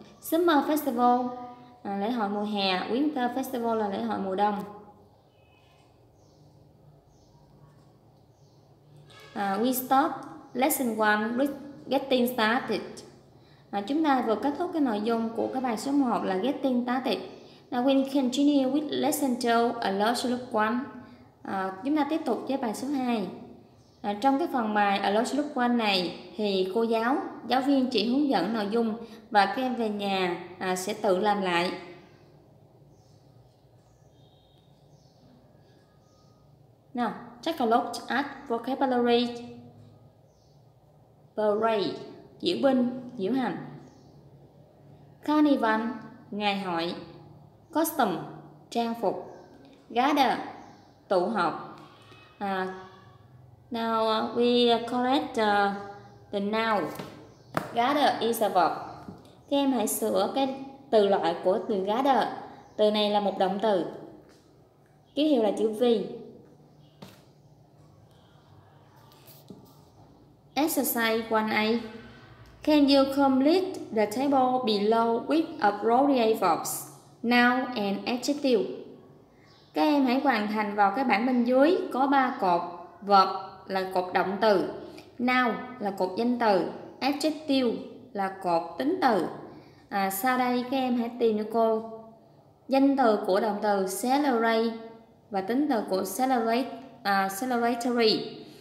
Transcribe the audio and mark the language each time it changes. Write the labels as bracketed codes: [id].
[vi] Summer Festival, lễ hội mùa hè. Winter Festival là lễ hội mùa đông. [en] We stop lesson 1, getting started. [vi] Chúng ta vừa kết thúc cái nội dung của cái bài số 1 là getting started. [en] Now we continue with lesson 2, a closer look 1. [vi] Chúng ta tiếp tục với bài số 2. Trong cái phần bài a closer look 1 này thì cô giáo, giáo viên chỉ hướng dẫn nội dung và các em về nhà sẽ tự làm lại. [en] Now, take a look at vocabulary. [vi] Parade, diễu binh, diễu hành. Carnival, ngày hội. Costume, trang phục. [en] Gather, [vi] tụ họp. [en] Now we correct the noun. Gather is a verb. [vi] Các em hãy sửa cái từ loại của từ gather. Từ này là một động từ. Ký hiệu là chữ V. [en] Exercise 1A. Can you complete the table below with appropriate verbs, noun and adjective? [vi] Các em hãy hoàn thành vào cái bảng bên dưới có 3 cột. Verb là cột động từ, noun là cột danh từ, adjective là cột tính từ. À, sau đây các em hãy tìm cho cô danh từ của động từ celebrate và tính từ của celebratory.